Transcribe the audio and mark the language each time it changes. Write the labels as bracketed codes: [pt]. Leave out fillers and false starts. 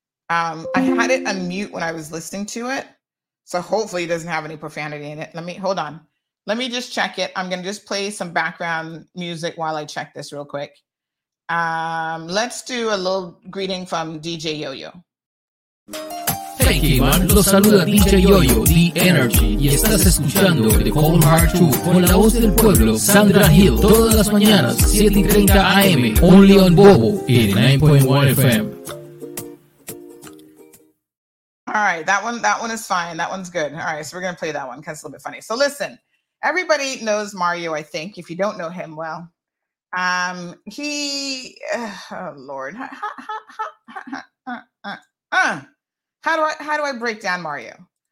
[en] I had it on mute when I was listening to it. So hopefully it doesn't have any profanity in it. Let me just check it. I'm going to just play some background music while I check this real quick. Let's do a little greeting from DJ Yo-Yo. [es] Hey, K-Man, los saluda DJ Yo-Yo, The Energy, y estás escuchando The Cold Hard Truth con la voz del pueblo, Sandra Hill, todas las mañanas, 7:30 AM, [en] only on Bobo, [es] y 9.1 FM. [en] All right, that one is fine. That one's good. All right, so we're going to play that one because it's a little bit funny. So listen, everybody knows Mario, I think. If you don't know him, well, How do I break down Mario?